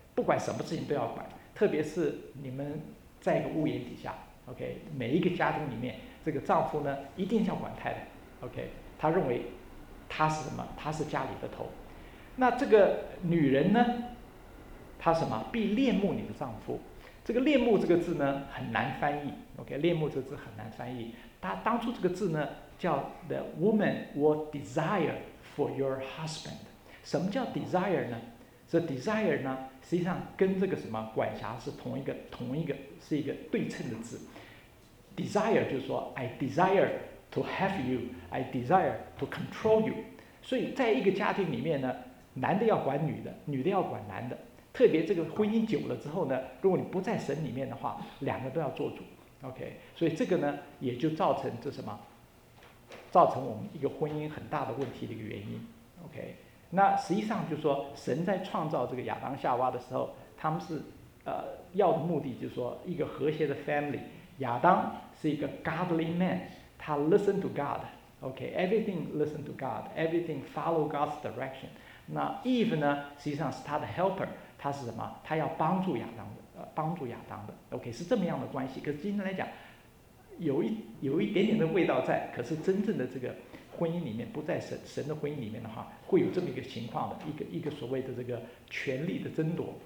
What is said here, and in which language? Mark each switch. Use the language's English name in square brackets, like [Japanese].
[Chinese] 不管什么事情都要管，特别是你们在一个屋檐底下， OK， 每一个家庭里面这个丈夫呢一定要管太太。 OK， 他认为他是什么？他是家里的头。那这个女人呢，她什么？必恋慕你的丈夫。这个恋慕这个字呢很难翻译， OK， 恋慕这个字很难翻译。她当初这个字呢叫 [English] The woman will desire for your husband。 [Chinese] 什么叫 desire 呢？这 desire 呢实际上跟这个什么管辖是同一个，是一个对称的字。 [English] desire [Chinese] 就是说 [English] I desire to have you, I desire to control you。 [Chinese] 所以在一个家庭里面呢，男的要管女的，女的要管男的，特别这个婚姻久了之后呢，如果你不在神里面的话，两个都要做主。 OK， 所以这个呢也就造成这什么，造成我们一个婚姻很大的问题的一个原因。 OK， 那实际上就是说神在创造这个亚当夏娃的时候，他们是要的目的就是说一个和谐的 family。亚当是一个 [English] godly man， [Chinese] 他 [English] listen to God。 OK， everything listen to God， everything follow God's direction。 [Chinese] 那 Eve 呢实际上是他的 helper， 他是什么？他要帮助亚当的OK， 是这么样的关系。可是今天来讲有一点点的味道在，可是真正的这个婚姻里面，不在神的婚姻里面的话，会有这么一个情况的，一个所谓的这个权力的争夺。